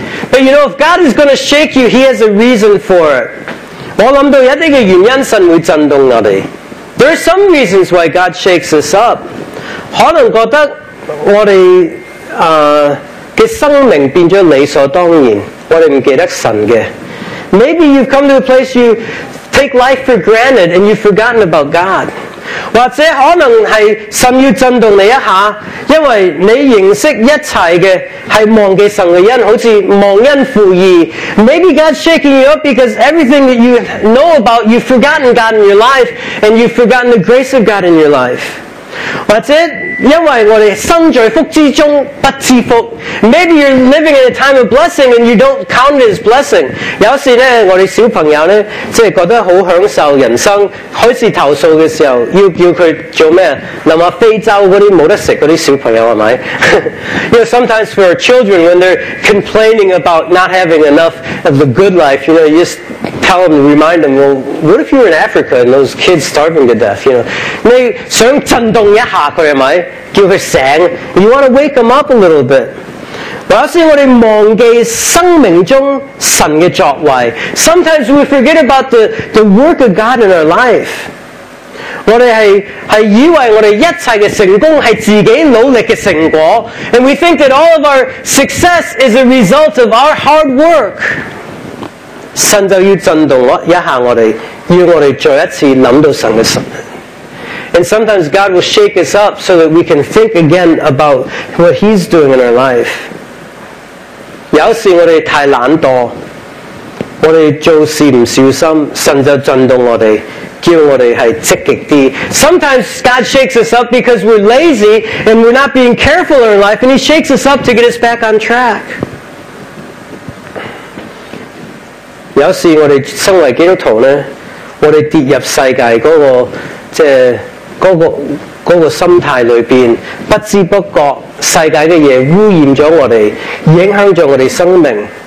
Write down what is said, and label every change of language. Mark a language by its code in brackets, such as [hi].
[en] But you know, if God is going to shake you, He has a reason for it. [yue] 我想到一定的原因神会震动我们 [en] There are some reasons why God shakes us up. [yue] 可能觉得我们的生命变成理所当然我们不记得神的 [en] Maybe you've come to a place you take life for granted and you've forgotten about God. [yue] 或者可能是神要震动你一下，因为你认识一切的是忘记神的恩，好像忘恩负义。 [en] Maybe God's shaking you up because everything that you know about, you've forgotten God in your life, and you've forgotten the grace of God in your life. [yue] 或者因为我们生在福之中不知福。 [en] Maybe you're living in a time of blessing and you don't count it as blessing. [yue] 有时呢我们小朋友呢即是觉得很享受人生开始投诉的时候要叫他做什么想想非洲那些没得吃的小朋友是不是 [en] You know, sometimes for our children when they're complaining about not having enough of the good life, you know, you just tell them, remind them, well, what if you were in Africa and those kids starving to death, you know? [yue] 你想震动一下他是不是叫他醒 [en] You want to wake him up a little bit. [yue] 有时我们忘记生命中神的作为 [en] Sometimes we forget about the work of God in our life. [yue] 我们 是以为我们一切的成功是自己努力的成果 [en] And we think that all of our success is a result of our hard work. [yue] 神就要震动一下我们要我们再一次想到神的心 [en] And sometimes God will shake us up so that we can think again about what He's doing in our life. [yue] 有时我们太懒惰，我们做事不小心，神就震动我们，叫我们是积极点。 [en] Sometimes God shakes us up because we're lazy and we're not being careful in our life, and He shakes us up to get us back on track. [yue] 有时我们身为基督徒呢，我们跌入世界那个即系。那个心态里面不知不觉世界的东西污染了我们影响了我们生命